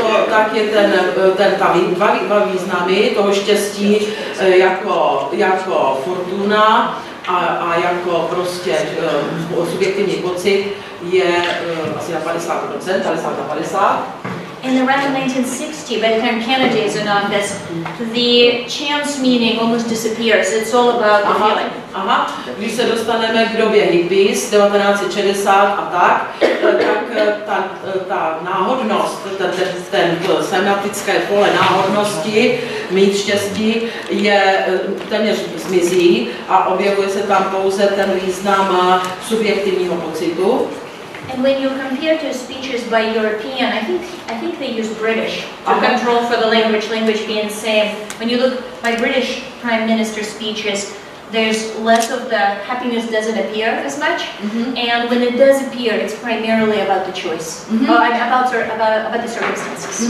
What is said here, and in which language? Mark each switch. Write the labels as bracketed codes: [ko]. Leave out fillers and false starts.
[cs] Tak je ten dva významy toho štěstí jako fortuna a jako prostě subjektivní pocit je asi na 50%, 50-50. [en] In the run of 1960, by the time Kennedy is in office, the chance meaning almost disappears. It's all about the feeling. [cs] Aha, když se dostaneme k době hippies, 1960 a tak, tak ta náhodnost, ten semantické pole náhodnosti, mít štěstí, je téměř zmizí a objevuje se tam pouze ten význam subjektivního pocitu. [en] And when you compare to speeches by European, I think they use British to control for the language being the same. When you look by British Prime Minister speeches, there's less of the happiness doesn't appear as much. Mm-hmm. And when it does appear, it's primarily about the choice, about the circumstances.